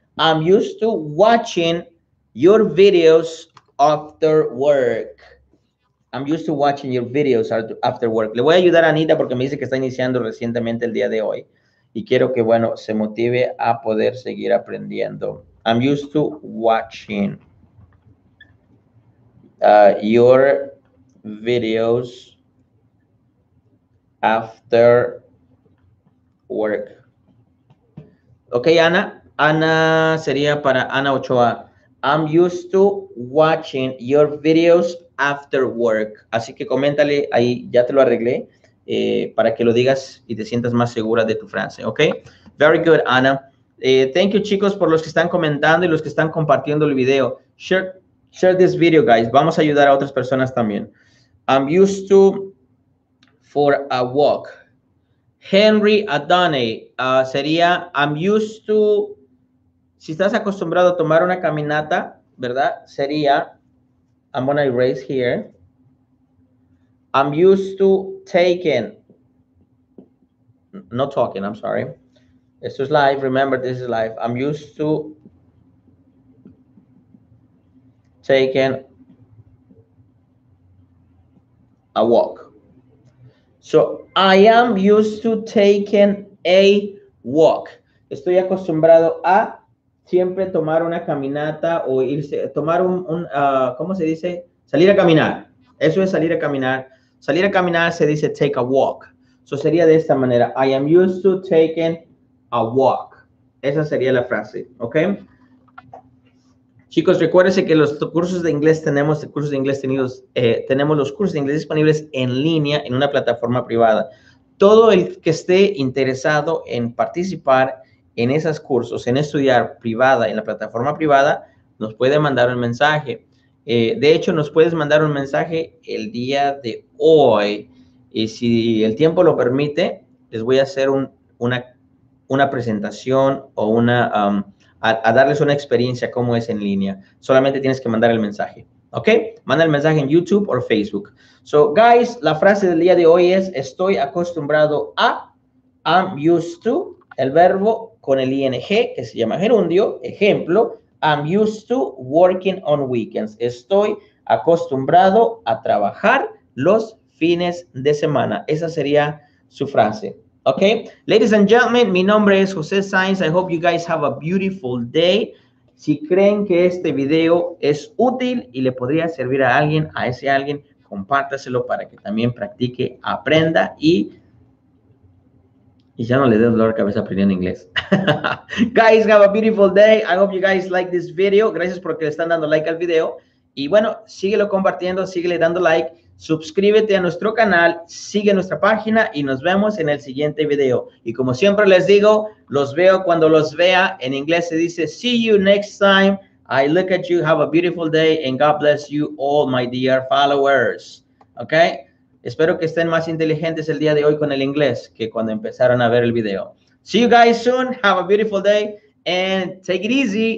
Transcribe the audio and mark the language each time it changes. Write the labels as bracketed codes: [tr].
[en] I'm used to watching your videos after work. I'm used to watching your videos after work. [es] Le voy a ayudar a Anita porque me dice que está iniciando recientemente el día de hoy. Y quiero que, bueno, se motive a poder seguir aprendiendo. [en] I'm used to watching your videos after work. Ok, Ana. [es] Ana sería para Ana Ochoa. [en] I'm used to watching your videos after work. [es] Así que coméntale ahí, ya te lo arreglé, para que lo digas y te sientas más segura de tu frase, ¿ok? [en] Very good, Ana. Thank you, [es] chicos, por los que están comentando y los que están compartiendo el video. [en] Share this video, guys. [es] Vamos a ayudar a otras personas también. [en] I'm used to for a walk. Henry Adane sería, I'm used to... [es] Si estás acostumbrado a tomar una caminata, ¿verdad? [en] Sería, I'm going to erase here. I'm used to taking, not talking, I'm sorry. This is live, remember this is live. I'm used to taking a walk. So I am used to taking a walk. [es] Estoy acostumbrado a siempre tomar una caminata o irse, tomar ¿cómo se dice? Salir a caminar. Eso es salir a caminar. Salir a caminar se dice [en] take a walk. [es] So sería de esta manera. [en] I am used to taking a walk. [es] Esa sería la frase, ¿ok? Chicos, recuérdense que los cursos de inglés tenemos, tenemos los cursos de inglés disponibles en línea en una plataforma privada. Todo el que esté interesado en participar en esos cursos, en estudiar privada, en la plataforma privada, nos puede mandar un mensaje. De hecho, nos puedes mandar un mensaje el día de hoy. Y si el tiempo lo permite, les voy a hacer una presentación o una... A darles una experiencia cómo es en línea. Solamente tienes que mandar el mensaje. ¿Ok? Manda el mensaje en YouTube o Facebook. [en] So, guys, [es] la frase del día de hoy es estoy acostumbrado a, [en] I'm used to, [es] el verbo con el ing, que se llama gerundio. [en] Ejemplo, I'm used to working on weekends. [es] Estoy acostumbrado a trabajar los fines de semana. Esa sería su frase. [en] Okay, ladies and gentlemen, [es] mi nombre es José Sainz. [en] I hope you guys have a beautiful day. [es] Si creen que este video es útil y le podría servir a alguien, a ese alguien, compártaselo para que también practique, aprenda y ya no le dé dolor de cabeza aprendiendo inglés. [en] Guys, have a beautiful day. I hope you guys like this video. [es] Gracias porque le están dando like al video. Y bueno, síguelo compartiendo, síguele dando like. Suscríbete a nuestro canal, sigue nuestra página y nos vemos en el siguiente video. Y como siempre les digo, los veo cuando los vea. En inglés se dice, [en] see you next time. I look at you, have a beautiful day, and God bless you all, my dear followers. [es] ¿Ok? Espero que estén más inteligentes el día de hoy con el inglés que cuando empezaron a ver el video. [en] See you guys soon, have a beautiful day, and take it easy.